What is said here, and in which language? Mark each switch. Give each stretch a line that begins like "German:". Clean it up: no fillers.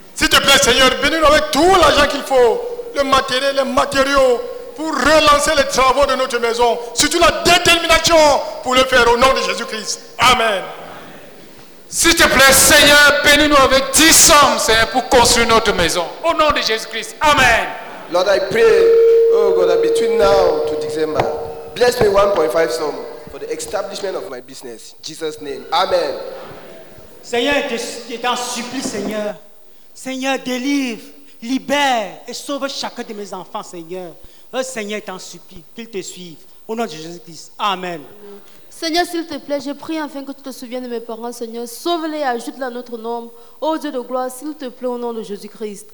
French: S'il te plaît, Seigneur, bénis-nous avec tout l'argent qu'il faut, le matériel, les matériaux, pour relancer les travaux de notre maison, surtout la détermination pour le faire au nom de Jésus-Christ. Amen. Amen. S'il te plaît, Seigneur, bénis-nous avec 10 sommes, Seigneur, pour construire notre maison. Au nom de Jésus-Christ. Amen.
English: Lord, I pray, oh God, that between now to December, bless me 1.5 sommes for the establishment of my business. In Jesus' name. Amen.
French: Seigneur, je t'en supplie, Seigneur. Seigneur, délivre, libère et sauve chacun de mes enfants, Seigneur. Un Seigneur t'en supplie, qu'il te suive. Au nom de Jésus-Christ. Amen. Seigneur, s'il te plaît, je prie afin que tu te souviennes de mes parents, Seigneur. Sauve-les et ajoute-les à notre nom. Ô Dieu de gloire, s'il te plaît, au nom de Jésus-Christ.